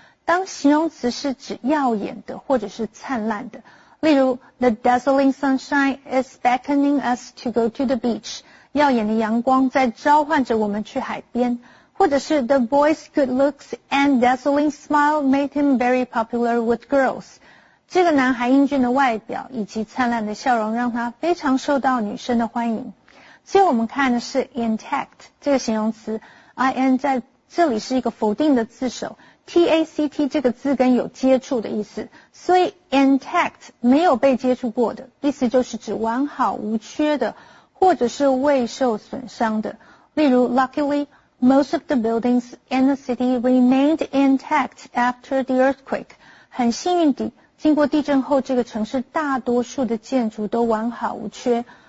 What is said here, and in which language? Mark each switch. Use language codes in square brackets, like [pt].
[zh] 当形容词是指耀眼的或者是灿烂的。例如 [en] ,the dazzling sunshine is beckoning us to go to the beach. [zh] 耀眼的阳光在召唤着我们去海边。或者是 [en] ,the boy's good looks and dazzling smile made him very popular with girls. [zh] 这个男孩英俊的外表以及灿烂的笑容让他非常受到女生的欢迎。最后我们看的是 intact, 这个形容词 ,in 在这里是一个否定的字首。 T-A-C-T 这个字根有接触的意思，所以 intact 没有被接触过的意思就是指完好无缺的或者是未受损伤的。例如 [en] luckily, most of the buildings in the city remained intact after the earthquake. [zh] 很幸运地经过地震后这个城市大多数的建筑都完好无缺。